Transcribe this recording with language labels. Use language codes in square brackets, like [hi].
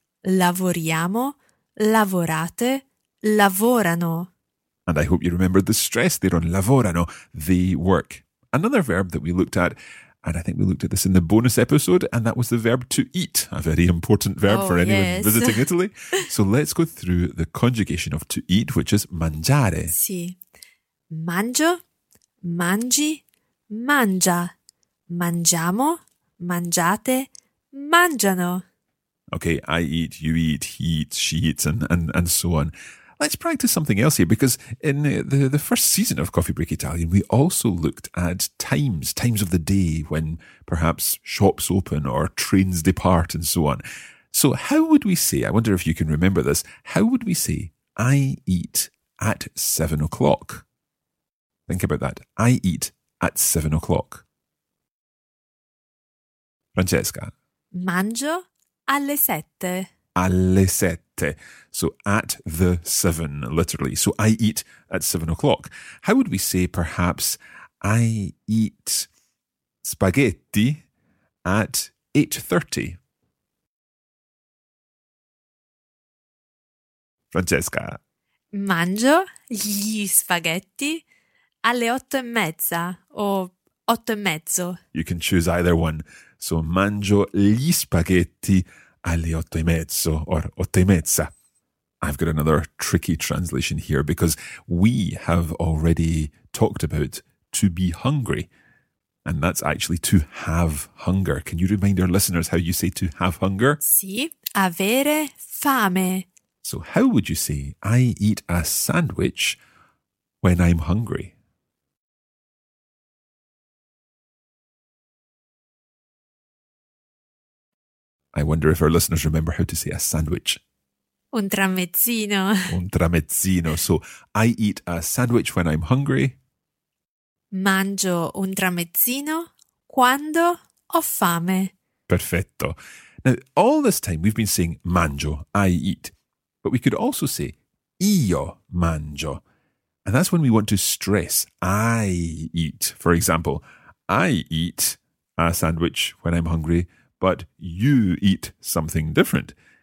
[it] Lavoriamo, lavorate, lavorano. [en] And I hope you remember the stress there on lavorano, the work. Another verb that we looked at, and I think we looked at this in the bonus episode, and that was the verb to eat, a very important verb for anyone visiting Italy. So let's go through the conjugation of to eat, which is mangiare. [it] Sì. Mangio, mangi, mangia. Mangiamo, mangiate, mangiano. [en] Okay, I eat, you eat, he eats, she eats, and so on. Let's practice something else here, because in the first season of Coffee Break Italian, we also looked at times of the day when perhaps shops open or trains depart and so on. So how would we say, I wonder if you can remember this, how would we say, I eat at 7 o'clock? Think about that. I eat at 7 o'clock. Francesca. [it] Mangio alle sette. Alle sette. [en] So at the seven, literally. So I eat at 7 o'clock. How would we say perhaps I eat spaghetti at 8:30? Francesca. [it] Mangio gli spaghetti alle 8:30 o 8:30. [en] You can choose either one. So [it] mangio gli spaghetti alle 8:30 [en] or 8:30. I've got another tricky translation here because we have already talked about to be hungry, and that's actually to have hunger. Can you remind our listeners how you say to have hunger? [it] Sì, avere fame. [en] So how would you say I eat a sandwich when I'm hungry? I wonder if our listeners remember how to say a sandwich. [it] Un tramezzino. Un tramezzino. [en] So, I eat a sandwich when I'm hungry. [it] Mangio un tramezzino quando ho fame. Perfetto. [en] Now, all this time we've been saying mangio, I eat. But we could also say [it] io mangio. [en] And that's when we want to stress I eat. For example, I eat a sandwich when I'm hungry, but you eat something different.